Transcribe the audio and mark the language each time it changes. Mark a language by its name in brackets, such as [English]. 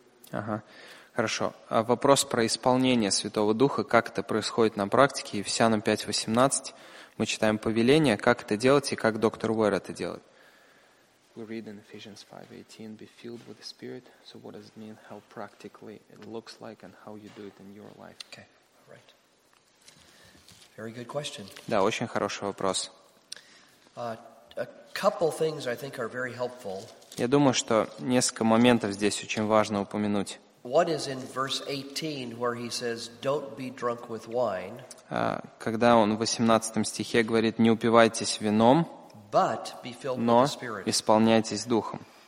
[Russian] Ага, хорошо. А вопрос про исполнение Святого Духа, как это происходит на практике, Ефесянам 5:18, мы читаем повеление, как это делать и как доктор Уэр это делает. [English] We read in Ephesians 5:18, be filled with the Spirit, so what does it mean, how practically it looks like and how you do it in your life. Okay, all right. Very good question. [Russian] Да, очень хороший вопрос. [English] A couple things I think are very helpful. [Russian] Я думаю, что несколько моментов здесь очень важно упомянуть. Когда он в 18 стихе говорит, не упивайтесь вином, но исполняйтесь Духом.